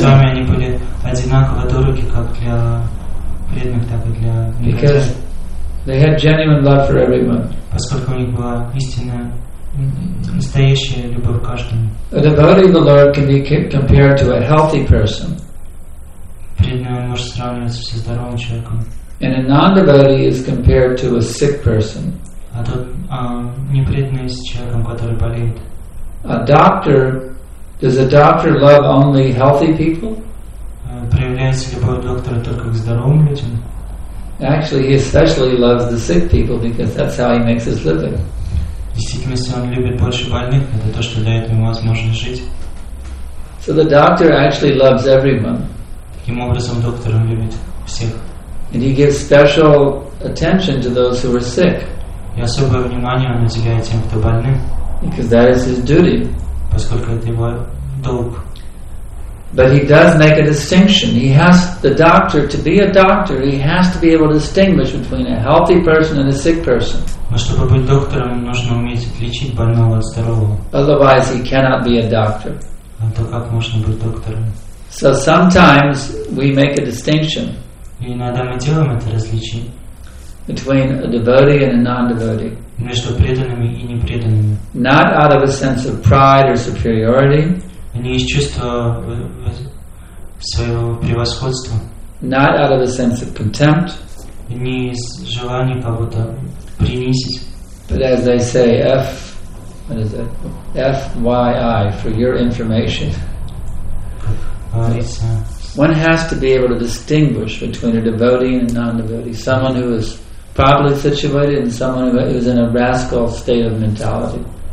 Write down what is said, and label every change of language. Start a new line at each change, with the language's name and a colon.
Russian: с вами они были одинаково дороги как для преданных, так и для
English: Because They had genuine love for everyone.
Russian: Поскольку у них была истинная, настоящая любовь к каждому.
English: A devotee of the Lord can be compared to a healthy person.
Russian: Преданный может сравниваться со здоровым человеком.
English: And a non-devotee is compared to a sick person.
Russian: А тот непреданный с человеком, который болеет.
English: A doctor, does a doctor love only healthy people?
Russian: Проявляется любовь доктора только к здоровым людям?
English: Actually, he especially loves the sick people because that's how he makes his living.
Russian: Действительно, он любит больше больных, это то, что дает ему возможность жить.
English: So the doctor actually loves everyone.
Russian: Таким образом, доктор любит всех.
English: And he gives special attention to those who are sick.
Russian: И особое внимание он уделяет тем, кто больны.
English: Because that is his duty.
Russian: Поскольку это его долг.
English: But he does make a distinction. He has the doctor to be a doctor. He has to be able to distinguish between a healthy person and a sick person.
Russian: Но чтобы быть доктором, нужно уметь отличить больного от здорового.
English: Otherwise, he cannot be a doctor.
Russian: А то как можно быть доктором?
English: So sometimes we make a distinction.
Russian: И иногда мы делаем это различие.
English: Between a devotee and a non-devotee.
Russian: Между преданными и непреданными.
English: Not out of a sense of pride or superiority.
Russian: Не из чувства своего превосходства.
English: Not out of a sense of contempt.
Russian: Не из желания кого-то принизить.
English: But as they say, FYI, for your information. One has to be able to distinguish between a devotee and a non-devotee. Someone who is properly situated and someone who is in a rascal state of mentality.